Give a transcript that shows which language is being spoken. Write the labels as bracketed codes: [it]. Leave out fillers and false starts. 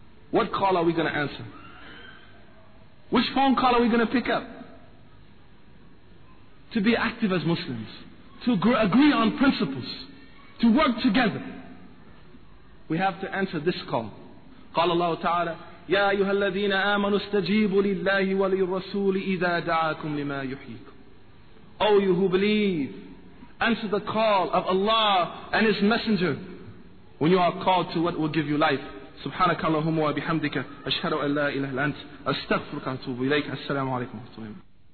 [en] What call are we going to answer? Which phone call are we going to pick up? To be active as Muslims. To agree on principles. To work together. We have to answer this call. [ar] قال الله تعالى يا أيها الذين آمنوا استجيبوا لله وللرسول إذا دعاكم لما يحييكم. [en] O you who believe, answer the call of Allah and His Messenger when you are called to what will give you life. [ar] سبحانك اللهم وبحمدك أشهد أن لا إله إلا أنت أستغفرك وأتوب إليك. السلام عليكم ورحمة الله.